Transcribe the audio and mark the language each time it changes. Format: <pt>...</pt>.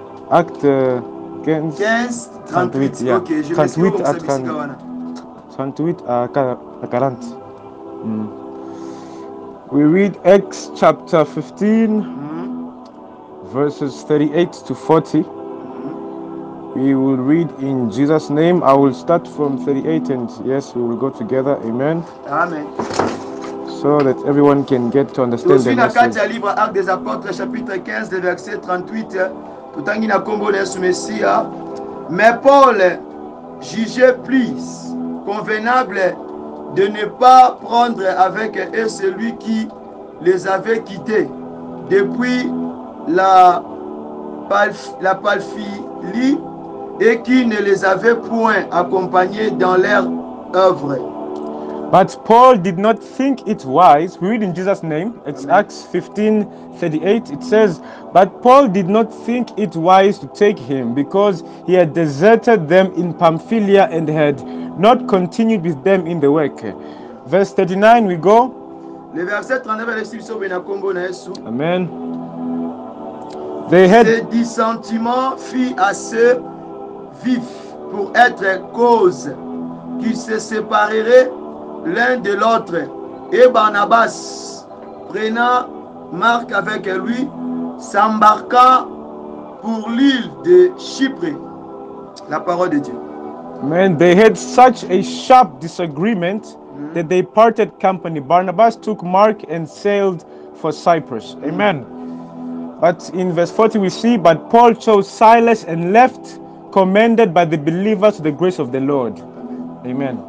<en>Actes 15 38 we read Acts chapter 15 verses 38 to 40. We will read in Jesus' name. I will start from 38 and yes, we will go together. Amen. Amen. So that everyone can get to understand the message.</en> <fr>Dans le livre Actes des Apôtres chapitre 15 verset 38 tout en ina kombo le Messie. Mais Paul jugeait plus convenable de ne pas prendre avec eux celui qui les avait quittés depuis la Pamphylie et qui ne les avait point accompagnés dans leur œuvre.</fr> <en>But Paul did not think it wise. We read in Jesus' name. It's Amen. Acts 15:38. It says, but Paul did not think it wise to take him because he had deserted them in Pamphylia and had not continued with them in the work. Verse 39, we go.</en> <fr>Le verset 39 est le suivant sur Bena Kombo na Yesu. Amen. Ce dissentiment fut assez vif pour être cause qu'ils se sépareraient l'un de l'autre. Et Barnabas, prenant Marc avec lui, s'embarqua pour l'île de Chypre. La parole de Dieu.</fr> <en>Man, they had such a sharp disagreement that they parted company. Barnabas took Mark and sailed for Cyprus. Amen. But in verse 40 we see, but Paul chose Silas and left, commended by the believers to the grace of the Lord. Amen.</en>